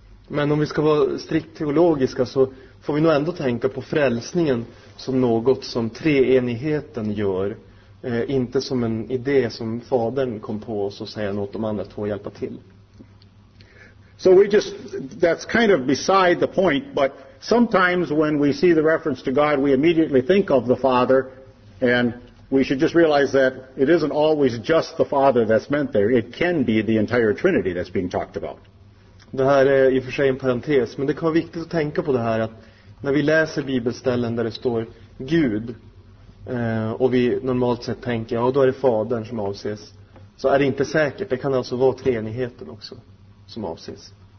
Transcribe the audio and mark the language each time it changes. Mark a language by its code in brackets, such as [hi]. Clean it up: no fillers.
[sv] Men om vi ska vara strikt teologiska så får vi nog ändå tänka på frälsningen som något som treenigheten gör, inte som en idé som Fadern kom på och så säger något de andra två hjälpa till. [en] So we just, that's kind of beside the point, but sometimes when we see the reference to God, we immediately think of the Father, and we should just realize that it isn't always just the Father that's meant there. It can be the entire Trinity that's being talked about. [sv] Det här är i och för sig en parentes, men det kan vara viktigt att tänka på det här, att när vi läser bibelställen där det står Gud, och vi normalt sett tänker, ja, då är det fadern som avses, så är det inte säkert. Det kan alltså vara treenigheten också som avses.